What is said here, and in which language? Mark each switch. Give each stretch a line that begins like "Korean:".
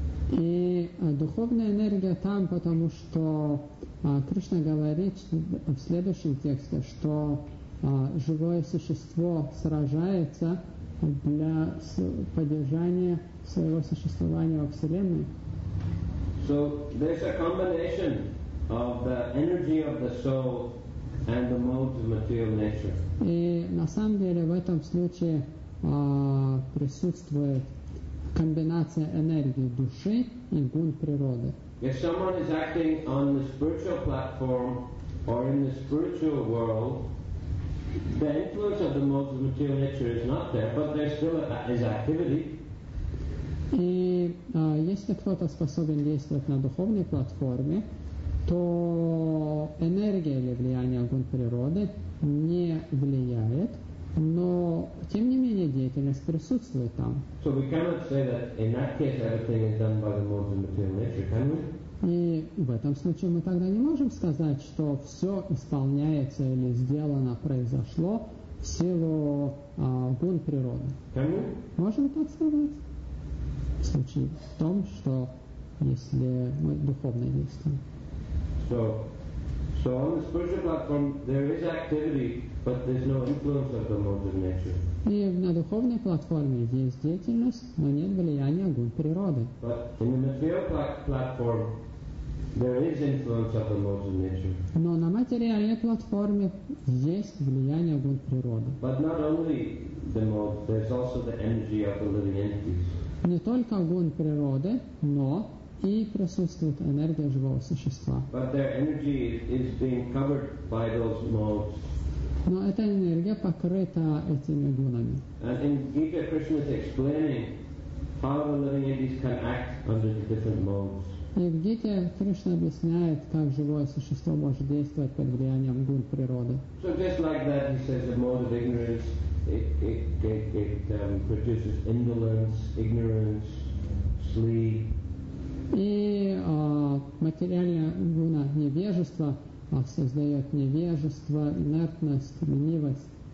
Russian: И духовная энергия там, потому что Кришна говорит в следующем тексте, что живое существо сражается для поддержания своего существования во Вселенной.
English: So there's a combination of the energy of the soul and the modes of material nature.
Russian: И на самом деле в этом случае присутствует комбинация энергии души и гун природы.
English: If someone is acting on the spiritual platform or in the spiritual world, the influence of the modes of material nature is not there, but there still is activity.
Russian: И если кто-то способен действовать на духовной платформе, то энергия или влияние гун природы не влияет, но тем не менее деятельность присутствует там.
English: So we cannot say that in that case everything is done by the modes of material nature, can we?
Russian: И в этом случае мы тогда не можем сказать, что все исполняется или сделано, произошло в силу гун природы.
English: Can we?
Russian: Можем так сказать. В случае в том, что если мы духовно действуем.
English: So on the spiritual platform there is activity, but there's no influence of the modes of nature.
Russian: И на духовной платформе есть деятельность, но нет влияния гун природы.
English: But in the material platform there is influence of the modes of nature.
Russian: Но на материальной платформе есть влияние гун природы.
English: But not only the mode, there's also the energy of the living entities.
Russian: Не только гун природы, но и присутствует энергия живого существа.
English: But their energy is being covered by those modes.
Russian: Но эта энергия покрыта этими гунами.
English: In Gita, Krishna is explaining how the living entities can act under different modes.
Russian: И в Гите Кришна объясняет, как живое существо может действовать под влиянием гун природы.
English: So just like that, he says the mode of ignorance produces indolence, ignorance, sleep.
Russian: И материальная гуна невежества создает невежество, инертность, ленивость.